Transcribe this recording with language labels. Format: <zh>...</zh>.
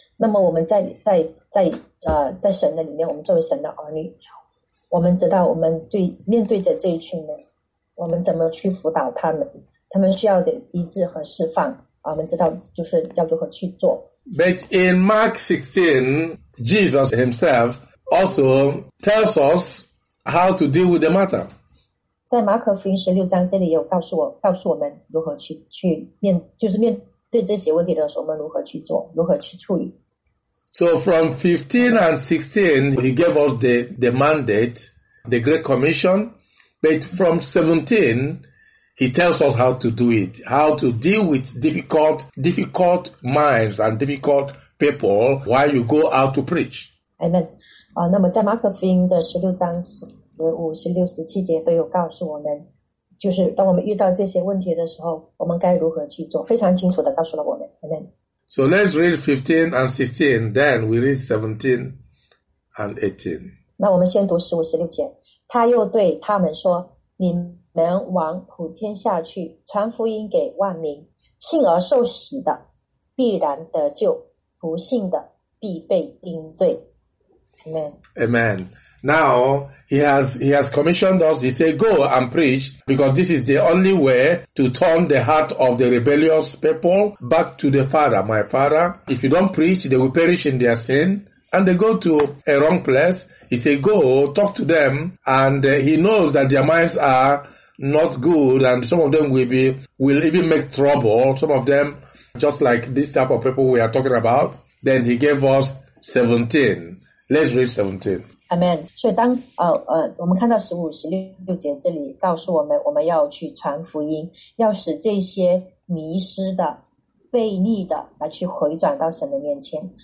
<zh>那么我们在神的里面，我们作为神的儿女，我们知道我们对面对着这一群人，我们怎么去辅导他们？他们需要的医治和释放啊，我们知道就是要如何去做。</zh> <en>But in Mark 16, Jesus himself also tells us how to deal with the matter.</en> <zh>在马可福音十六章这里有告诉我们如何去面对这些问题的时候，我们如何去做，如何去处理。</zh> <en>So from 15 and 16, he gave us the mandate, the Great Commission. But from 17, he tells us how to do it, how to deal with difficult minds and difficult people while you go out to preach. Amen.</en> <zh>那么在马可福音的16章15、16、17节都有告诉我们，就是当我们遇到这些问题的时候，我们该如何去做，非常清楚地告诉了我们。</zh> <en>Amen. So let's read 15 and 16, then we read 17 and 18.</en> <zh>那我们先读15、16节。他又对他们说，你们往普天下去，传福音给万民，信而受洗的必然得救，不信的必被定罪。</zh> <en>Amen. Amen. Now, he has commissioned us, he said, go and preach, because this is the only way to turn the heart of the rebellious people back to the Father, my Father. If you don't preach, they will perish in their sin, and they go to a wrong place. He said, go, talk to them, and he knows that their minds are not good, and some of them will even make trouble, some of them, just like this type of people we are talking about. Then he gave us 17. Let's read 17. Amen.</en> <zh>所以当我们看到15、16节这里告诉我们，我们要去传福音，要使这些迷失的、悖逆的来去回转到神的面前。</zh>